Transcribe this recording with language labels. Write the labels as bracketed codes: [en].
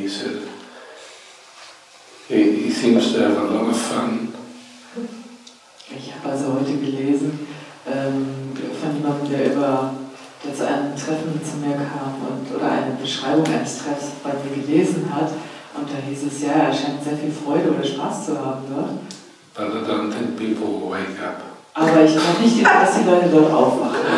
[en] He said he seems to have a lot of fun. [de] Ich habe also heute gelesen von jemandem, der über zu einem Treffen zu mir kam oder eine Beschreibung eines Treffs bei mir gelesen hat, und da hieß es, ja, er scheint sehr viel Freude oder Spaß zu haben dort. [en] But I don't think people will wake up. [de] Aber ich glaube nicht, dass die Leute dort aufwachen.